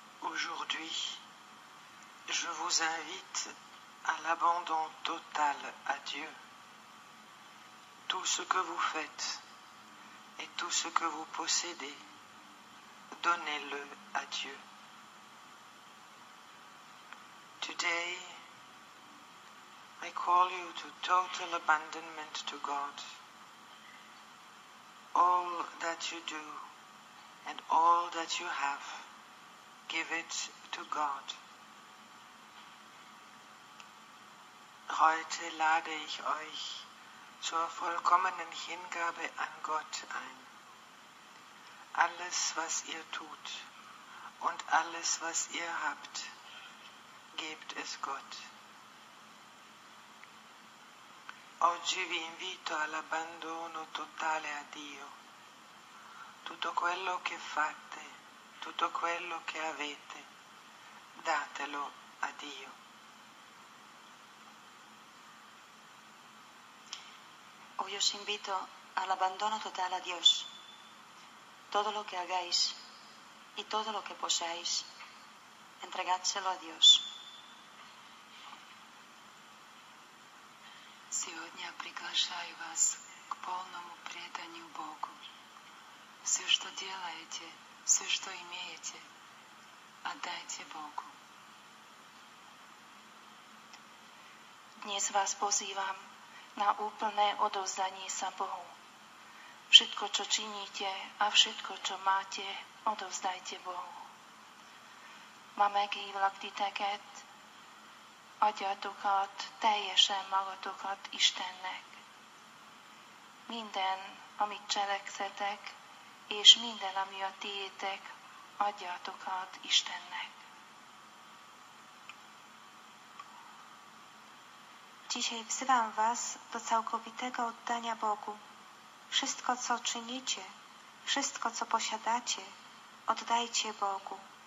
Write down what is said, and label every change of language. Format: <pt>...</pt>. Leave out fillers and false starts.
<fr>Aujourd'hui, je vous invite à l'abandon total à Dieu. Tout ce que vous faites et tout ce que vous possédez, donnez-le à Dieu.</fr> <en>Today, I call you to total abandonment to God. All that you do and all that you have, give it to God.</en> <de>Heute lade ich euch zur vollkommenen Hingabe an Gott ein. Alles, was ihr tut und alles, was ihr habt, gebt es Gott.</de> <it>Oggi vi invito all'abbandono totale a Dio. Tutto quello che fate, tutto quello che avete, datelo a Dio.</it> <es>Hoy os invito al abandono total a Dios. Todo lo que hagáis y todo lo que poseáis, entregáselo a Dios.</es> <ru>Сегодня приглашаю вас к полному преданию Богу. Все, что делаете, все, что имеете, отдайте Богу.</ru> <sk>Dnes vás pozývam na úplné odovzdanie sa Bohu. Všetko, čo činíte a všetko, čo máte, odovzdajte Bohu.</sk> <hu>Máme kívlaktiteket, atyatokat, teljesen magatokat Istennek. Minden, amit cselekszetek, és minden, ami a tiétek, adjátok át Istennek.</hu> <pl>Dzisiaj wzywam was do całkowitego oddania Bogu. Wszystko, co czynicie, wszystko, co posiadacie, oddajcie Bogu.</pl>